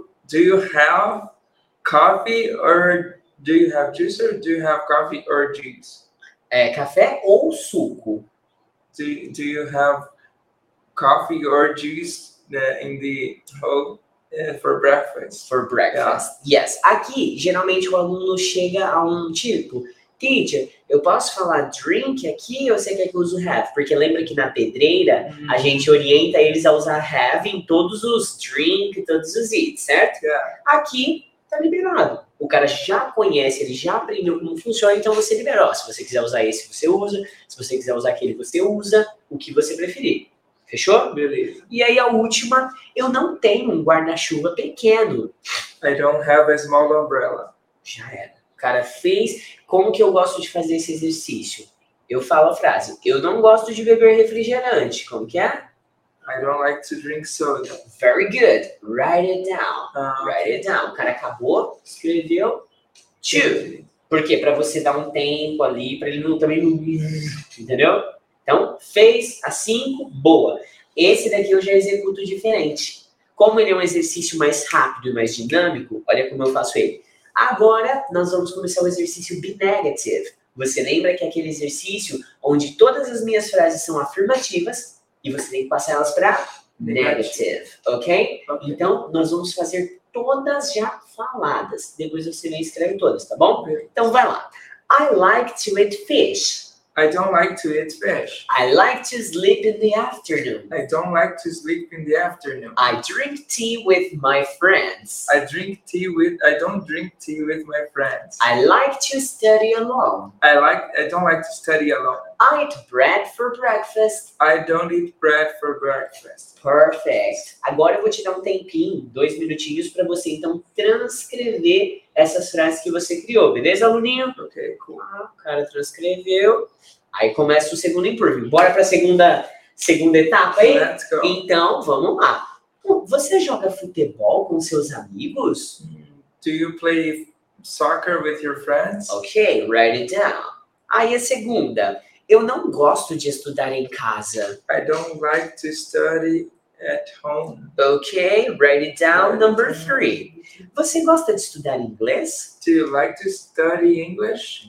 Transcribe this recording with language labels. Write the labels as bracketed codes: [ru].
[en] Do you have coffee or do you have juice or do you have coffee or juice? [pt] É café ou suco? [en] Do you have coffee or juice in the home for breakfast? For breakfast, yeah. Yes. [pt] Aqui, geralmente o aluno chega a um tipo, teacher, eu posso falar drink aqui ou você quer que eu use o have? Porque lembra que na pedreira, a gente orienta eles a usar have em todos os drink, todos os eats, certo? [en] Yeah. [pt] Aqui, tá liberado. O cara já conhece, ele já aprendeu como funciona, então você liberou. Se você quiser usar esse, você usa. Se você quiser usar aquele, você usa. O que você preferir. Fechou? Beleza. E aí a última, eu não tenho um guarda-chuva pequeno. [en] I don't have a small umbrella. [pt] Já era. O cara fez. Como que eu gosto de fazer esse exercício? Eu falo a frase, eu não gosto de beber refrigerante. Como que é? [en] I don't like to drink soda. Very good. Write it down. Write it down. [pt] O cara acabou, escreveu. [en] Two. [pt] Por quê? Pra você dar um tempo ali, pra ele não também... Entendeu? Então, fez a 5, boa. Esse daqui eu já executo diferente. Como ele é um exercício mais rápido e mais dinâmico, olha como eu faço ele. Agora, nós vamos começar o exercício be negative. Você lembra que é aquele exercício onde todas as minhas frases são afirmativas e você tem que passar elas para negative, okay? Ok? Então, nós vamos fazer todas já faladas. Depois você vem e escreve todas, tá bom? Então, vai lá. [en] I like to eat fish. I don't like to eat fish. I like to sleep in the afternoon. I don't like to sleep in the afternoon. I drink tea with my friends. I don't drink tea with my friends. I like to study alone. I don't like to study alone. I eat bread for breakfast. I don't eat bread for breakfast. Perfect. [pt] Agora eu vou te dar um tempinho, 2 minutinhos, para você então transcrever essas frases que você criou, beleza, aluninho? [en] Ok, cool. [pt] Ah, o cara transcreveu. Aí começa o segundo improvement. Bora para a segunda etapa aí? [en] Let's go. [pt] Então, vamos lá. Você joga futebol com seus amigos? [en] Do you play soccer with your friends? Ok, write it down. [pt] Aí a segunda. Eu não gosto de estudar em casa. [en] I don't like to study at home. Ok, write it down. Number 3. [pt] Você gosta de estudar inglês? [en] Do you like to study English?